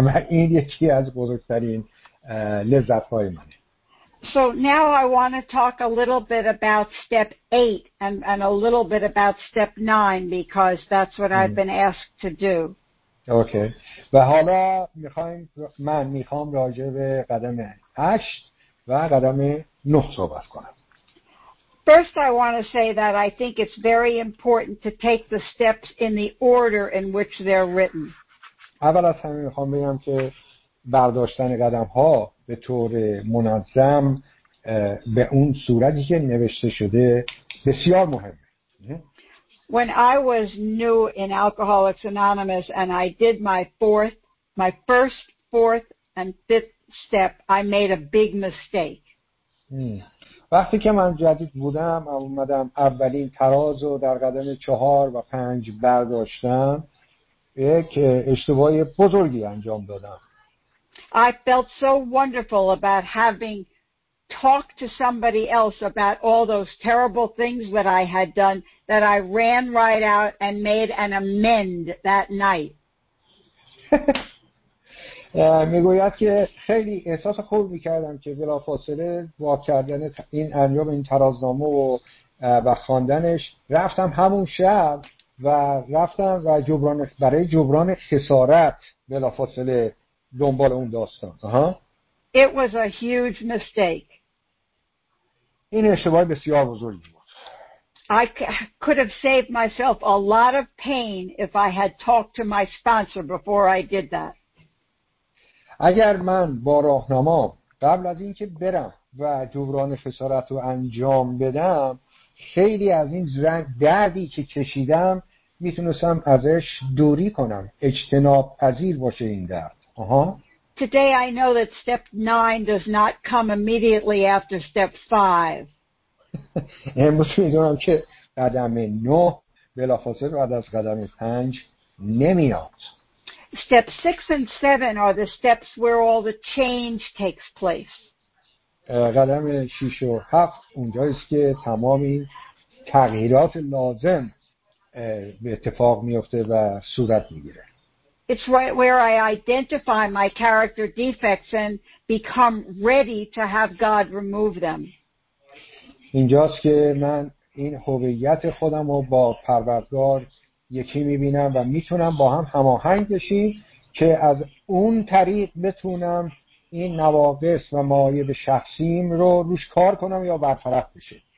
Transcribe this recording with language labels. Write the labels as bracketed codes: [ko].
[fa] این یکی از بزرگترین لذت‌های منه. [en] So now I want to talk a little bit about step 8 and a little bit about step 9 because that's what I've been asked to do. Okay. [fa] و حالا می‌خوام راجع به قدم 8 و قدم 9 صحبت کنم. [en] First, I want to say that I think it's very important to take the steps in the order in which they're written. [fa] اول از همه میخوام بگم که برداشتن قدم‌ها به طور منظم به اون صورتی که نوشته شده بسیار مهمه. [en] When I was new in Alcoholics Anonymous and I did my first, fourth, and fifth step, I made a big mistake. [fa] وقتی که من جدید بودم اومدم اولین تراز رو در قدم 4 و 5 برداشتم یک اشتباه بزرگی انجام دادم. [en] I felt so wonderful about having talked to somebody else about all those terrible things that I had done that I ran right out and made an amend that night. [fa] میگوید که خیلی احساس خوب میکردم که بلافاصله با کردن این انجام این ترازنامه و خواندنش رفتم همون شب و رفتم و جبران برای جبران خسارت بلافاصله دنبال اون داستان. [en] It was a huge mistake. [fa] این اشتباه بسیار بزرگی بود. [en] I could have saved myself a lot of pain if I had talked to my sponsor before I did that. [fa] اگر من با راهنما قبل از اینکه برم و جبران خسارت رو انجام بدم خیلی از این دردی که کشیدم میتونستم ازش دوری کنم، اجتناب پذیر باشه این درد. [en] Today I know that step 9 does not come immediately after step 5. [fa] امروز میدونم که قدم 9 بلافاصله بعد از قدم 5 نمیاد. [en] Step 6 and 7 are the steps where all the change takes place. [fa] قدم 6 و 7 اونجاست که تمام این تغییرات لازم به اتفاق میفته و صورت میگیره. [en] It's right where I identify my character defects and become ready to have God remove them. [fa] اینجاست که من این هویت خودم رو با پروردگار یکی میبینم و میتونم با هم هماهنگ بشیم که از اون طریق بتونم این نواقص و معایب شخصیم رو روش کار کنم یا برطرف بشه.